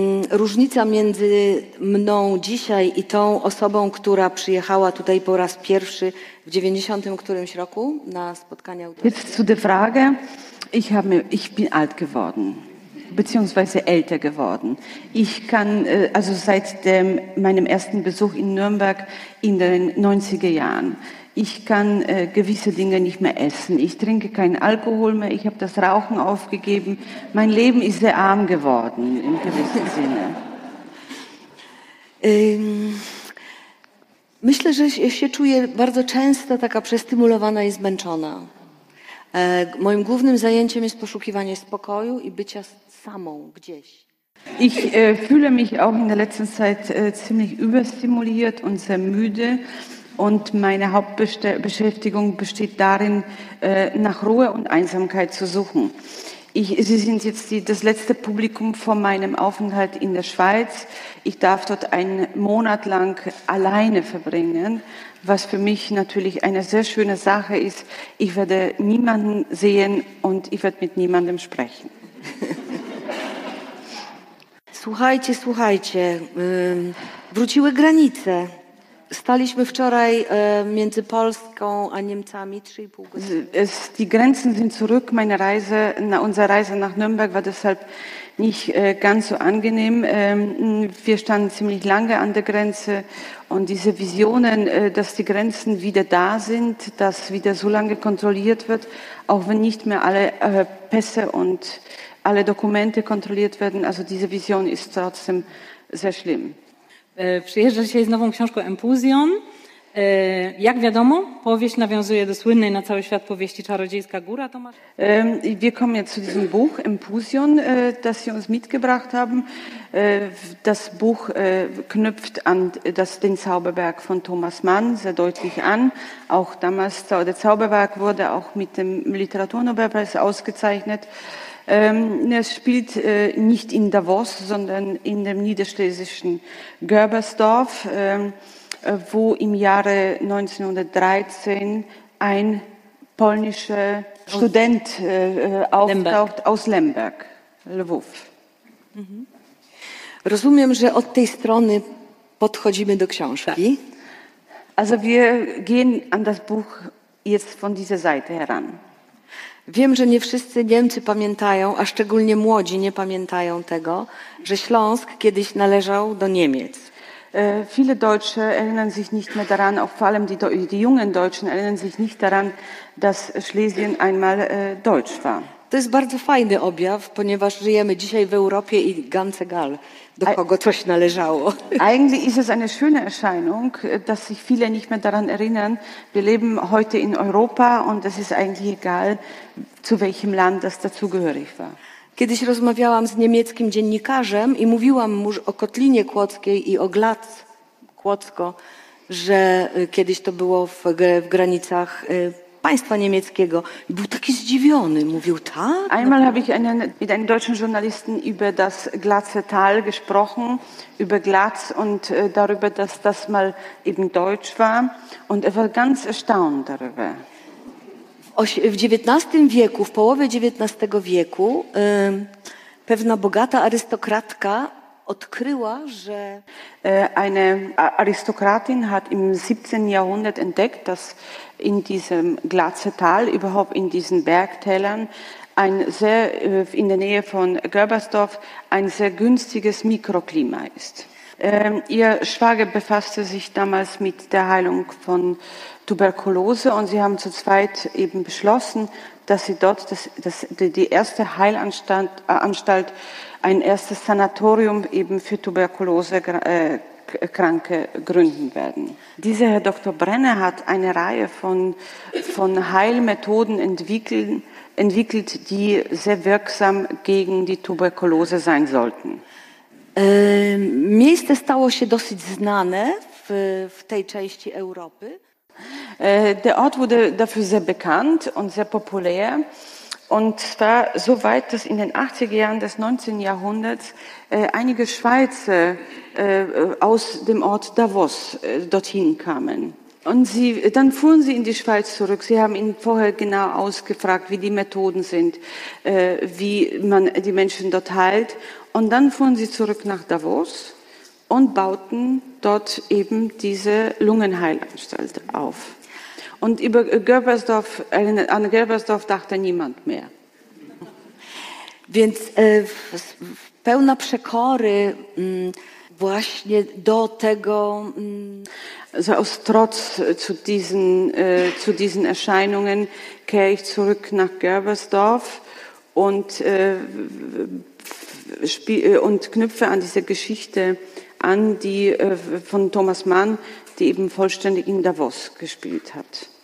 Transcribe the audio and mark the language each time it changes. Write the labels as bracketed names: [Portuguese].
[Polish] Różnica między mną dzisiaj i tą osobą, która przyjechała tutaj po raz pierwszy w 90 którymś roku na spotkanie autorskie. [German] Jetzt zu der Frage. Ich bin alt geworden, beziehungsweise älter geworden. Ich kann, also seit meinem ersten Besuch in Nürnberg in den 90er Jahren, ich kann gewisse Dinge nicht mehr essen. Ich trinke keinen Alkohol mehr. Ich habe das Rauchen aufgegeben. Mein Leben ist sehr arm geworden, im gewissen Sinne. [Polish] Myślę, że się czuję bardzo często taka przestymulowana i zmęczona. Moim głównym zajęciem jest poszukiwanie spokoju i bycia samą gdzieś. [German] Ich fühle mich auch in der letzten Zeit ziemlich überstimuliert und sehr müde. Und meine Hauptbeschäftigung besteht darin, nach Ruhe und Einsamkeit zu suchen. Sie sind jetzt das letzte Publikum vor meinem Aufenthalt in der Schweiz. Ich darf dort einen Monat lang alleine verbringen, was für mich natürlich eine sehr schöne Sache ist. Ich werde niemanden sehen und ich werde mit niemandem sprechen. [Polish] Słuchajcie, słuchajcie, wróciły granice. Staliśmy wczoraj między Polską a Niemcami 3,5 godziny. [German] Die Grenzen sind zurück. Meine Reise, unsere Reise nach Nürnberg war deshalb nicht ganz so angenehm. Wir standen ziemlich lange an der Grenze und diese Visionen, dass die Grenzen wieder da sind, dass wieder so lange kontrolliert wird, auch wenn nicht mehr alle Pässe und alle Dokumente kontrolliert werden, also diese Vision ist trotzdem sehr schlimm. [Polish] Przyjeżdża dzisiaj z nową książką Empusion. Jak wiadomo, powieść nawiązuje do słynnej na cały świat powieści Czarodziejska Góra. Tomasz. [German] Wir kommen jetzt zu diesem Buch Empusion, das Sie uns mitgebracht haben. Das Buch knüpft an den Zauberberg von Thomas Mann sehr deutlich an. Auch damals der Zauberberg wurde auch mit dem Literaturnobelpreis ausgezeichnet. Es spielt nicht in Davos, sondern in dem niederschlesischen Görbersdorf, wo im Jahre 1913 ein polnischer Student auftaucht aus Lemberg, Lwów. [Polish] Rozumiem, że od tej strony podchodzimy do książki. [German] Also wir gehen an das Buch jetzt von dieser Seite heran. [Polish] Wiem, że nie wszyscy Niemcy pamiętają, a szczególnie młodzi nie pamiętają tego, że Śląsk kiedyś należał do Niemiec. [German] Viele Deutsche erinnern sich nicht mehr daran, auch vor allem die jungen Deutschen erinnern sich nicht daran, dass Schlesien einmal deutsch war. [Polish] To jest bardzo fajny objaw, ponieważ żyjemy dzisiaj w Europie i [German] ganz egal, [Polish] do kogo coś należało. [German] Eigentlich ist es eine schöne Erscheinung, dass sich viele nicht mehr daran erinnern. Wir leben heute in Europa und es ist eigentlich egal, zu welchem Land das dazugehörig war. [Polish] Kiedyś rozmawiałam z niemieckim dziennikarzem i mówiłam mu o Kotlinie Kłodzkiej i o Glatz Kłodzko, że kiedyś to było w granicach państwa niemieckiego. I był taki zdziwiony, mówił tak. [German] Einmal habe ich mit einem deutschen Journalisten über das Glatze Tal gesprochen, über Glatz und darüber, dass das mal eben deutsch war. Und war ganz erstaunt darüber. [Polish] W XIX wieku, w połowie XIX wieku, pewna bogata arystokratka odkryła, że [German] eine Aristokratin hat im 17. Jahrhundert entdeckt, dass in diesem Glatzetal, überhaupt in diesen Bergtälern, ein sehr in der Nähe von Görbersdorf ein sehr günstiges Mikroklima ist. Ihr Schwager befasste sich damals mit der Heilung von Tuberkulose und sie haben zu zweit eben beschlossen, dass sie dort die erste Heilanstalt, ein erstes Sanatorium eben für Tuberkulose-Kranke gründen werden. Dieser Herr Dr. Brenner hat eine Reihe von Heilmethoden entwickelt, die sehr wirksam gegen die Tuberkulose sein sollten. [Polish] Miejsce stało się dosyć znane w tej części Europy. [German] Der Ort wurde dafür sehr bekannt und sehr populär. Und zwar so weit, dass in den 80er Jahren des 19. Jahrhunderts einige Schweizer aus dem Ort Davos dorthin kamen. Und dann fuhren sie in die Schweiz zurück. Sie haben ihn vorher genau ausgefragt, wie die Methoden sind, wie man die Menschen dort heilt. Und dann fuhren sie zurück nach Davos und bauten dort eben diese Lungenheilanstalt auf. Und über Görbersdorf, an Görbersdorf dachte niemand mehr. [Polish] Więc pełna przekory właśnie do tego. [German] Also aus Trotz zu diesen Erscheinungen kehre ich zurück nach Görbersdorf und knüpfe an diese Geschichte an, die von Thomas Mann, die eben vollständig in Davos gespielt hat.